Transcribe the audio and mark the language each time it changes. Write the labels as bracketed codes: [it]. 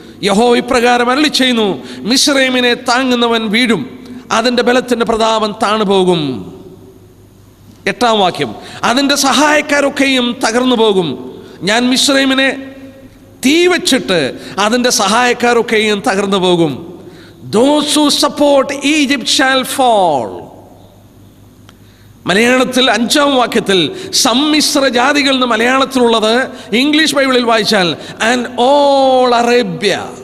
[ml] യഹോ ഇപ്രകാരം അരളി ചെയ്യുന്നു, മിസ്രയീമിനെ താങ്ങുന്നവൻ വീഴും, അതിൻ്റെ ബലത്തിൻ്റെ പ്രതാപം താണുപോകും. 8-ാം വാക്യം അതിൻ്റെ സഹായക്കാരൊക്കെയും തകർന്നു പോകും. ഞാൻ മിസ്രയീമിനെ തീ വച്ചിട്ട് അതിൻ്റെ സഹായക്കാരൊക്കെയും തകർന്നു പോകും. [en] Those who support Egypt shall fall. [ml] മലയാളത്തിൽ 5-ാം വാക്യത്തിൽ സമ്മിശ്ര ജാതികൾ എന്ന് മലയാളത്തിലുള്ളത് ഇംഗ്ലീഷ് ബൈബിളിൽ വായിച്ചാൽ ഓൾ അറേബ്യ.